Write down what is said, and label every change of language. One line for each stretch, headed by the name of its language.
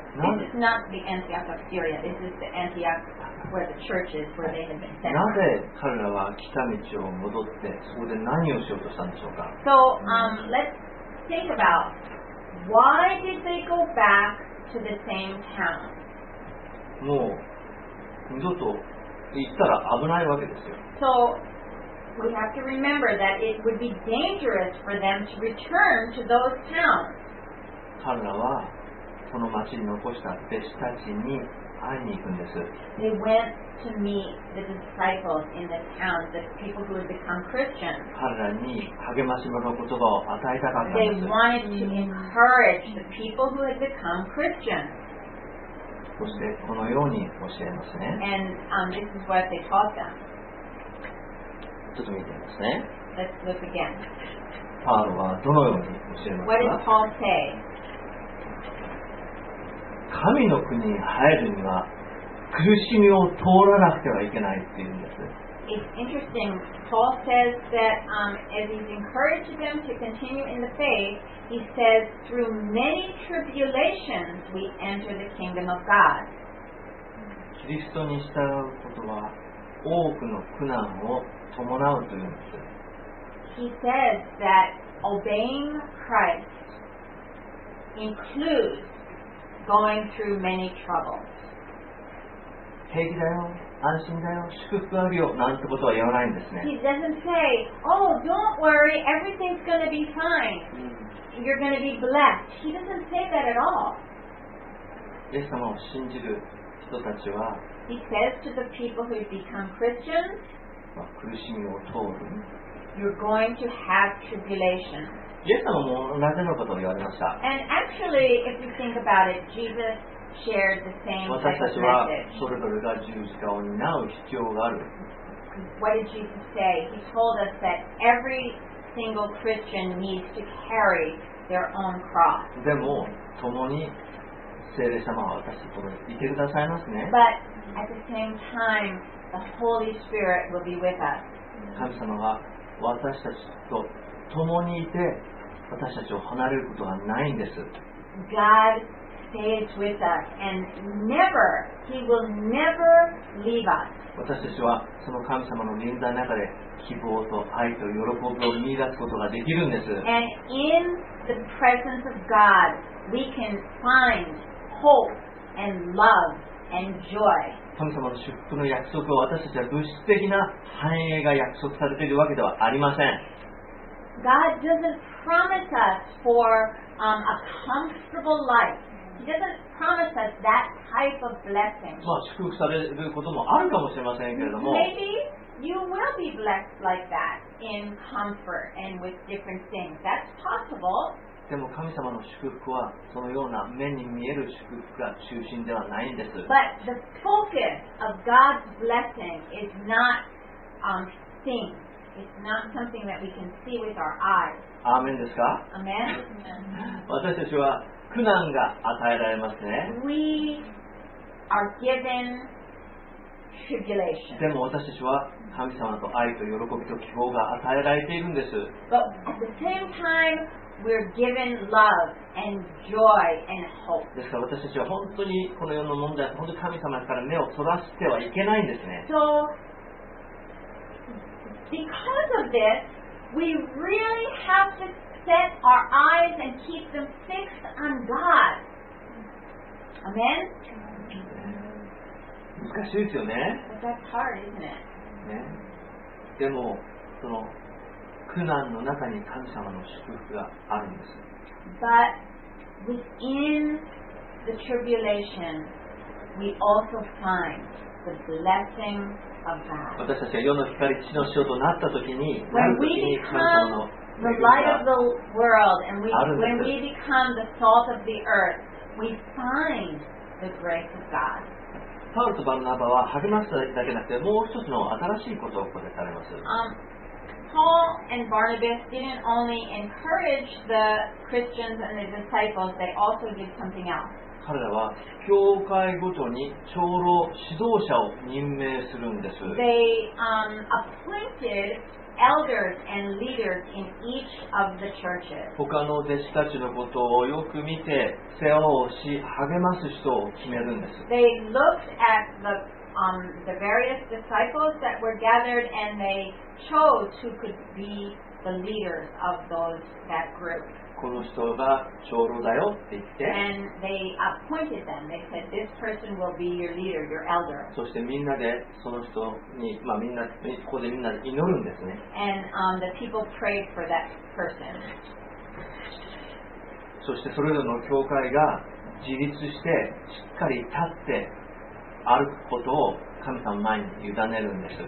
English: This is not the Antioch of Syria. This is the Antioch where the church is, where they had been sent.
Japanese: なぜ彼らは北道を戻ってそこで何をしようとしたんでしょうか。
English: So, let's think about why did they go back to the same town?
Japanese: もう二度と行ったら危ないわけですよ。
English: So we have to remember that it would be dangerous for them to return to those towns.
Japanese: 彼らはこの町に残した弟子たちに会いに行くんです。
English: They went to meet the disciples in the town, the people who had become Christians.
Japanese: 彼らに励ましの言葉を与えたかったんです。
English: They wanted to encourage the people who had become Christians.
Japanese: そしてこのように教えますね。
English: And this is what they taught them.
Japanese: ちょっと見てみますね。
English: Let's look again.
Japanese: パウロはどのように教えますか?
English: What does Paul say?
Japanese: 神の国に入るには苦しみを通らなくてはいけないっていうんです。
English: It's interesting. Paul says that as he's encouraged them to continue in the faith, he says, through many tribulations we enter the kingdom of God.
Japanese: キリストに従うことは多くの苦難を伴うというんです。
English: He says that obeying Christ includes going through many troubles.
Japanese: 平気だよ、安心だよ、祝福あるよ、なんてことは言わないんですね。
English: He doesn't say, oh, don't worry, everything's going to be fine. You're going to be blessed. He doesn't say that at all.
Japanese: イエス様を信じる人たちは、
English: He says to the people who've become Christians,
Japanese: 苦しみを通る。
English: You're going to have tribulation.
Japanese: イエス様も同じのことを言われました。
English: And actually, if you think about it, Jesus shared the same message.
Japanese: 私たちはそれぞれが十字架を担う必要がある。
English: What did Jesus say? He told us that every single Christian needs to carry their own cross.
Japanese: でも、共に聖霊様は私たちと共にいてくださいますね。
English: But at the same time, the Holy Spirit will be with us.
Japanese: 神様は私たちと共にいて私たちを離れることはないんです。
English: God stays with us and never, He will never leave us.
Japanese: 私たちはその神様の臨在の中で希望と愛と喜びを見出すことができるんです。
English: And in the presence of God, we can find hope and love and joy.
Japanese: 神様の祝福の約束を私たちは物質的な繁栄が約束されているわけではありません。
English: God doesn't promise us for a comfortable life. He doesn't promise us that type of blessing.
Japanese: まあ祝福されることもあるかもしれませんけれども。
English: Maybe you will be blessed like that in comfort and with different things. That's possible.
Japanese: でも神様の祝福はそのような目に見える祝福が中心ではないんです。
English: But the focus of God's blessing is not things. It's not something that we can see with our eyes.
Japanese: アーメンですか?
English: Amen.
Japanese: 私たちは苦難が与えられますね。
English: We are given tribulation.
Japanese: でも私たちは神様と愛と喜びと希望が与えられているんです。
English: But at the same time,We're given love and joy and hope.
Japanese: ですから私たちは本当にこの世の問題、本当に神様から目をそらしてはいけないんですね。
English: So, because of this, we really have to set our eyes and keep them fixed on God. Amen?
Japanese: 難しいですよね。
English: But that's hard, isn't it?
Japanese: ね。でも、その、苦難の中に神様の祝福があるんです。
English: But within the tribulation, we also find the blessing of God.
Japanese: 私たちが世の光、地の塩となったときに、
English: When we become the light of the world, and when we become the salt of the earth, we find the grace of God.
Japanese: パウロとバルナバは励ましただけなくて、もう一つの新しいことをここでされます。
English: Paul and Barnabas didn't only encourage the Christians and the disciples, they also did something else.
Japanese: 彼らは教会ごとに長老、指導者を任命するんです。
English: They appointed elders and leaders in each of the churches.
Japanese: 他の弟子たちのことをよく見て、世話をし、励ます人を決めるんです。
English: They looked at the various disciples that were gathered and they chose who could be the leaders of that group.
Japanese: この人が長老だよって言って。
English: And they appointed them. They said, this person will be your leader, your elder.
Japanese: そしてみんなでその人に、まあみんな、ここでみんなで祈るんですね。
English: And the people prayed for that person.
Japanese: そしてそれぞれの教会が自立してしっかり立って歩くことを神様前に委ねるんです。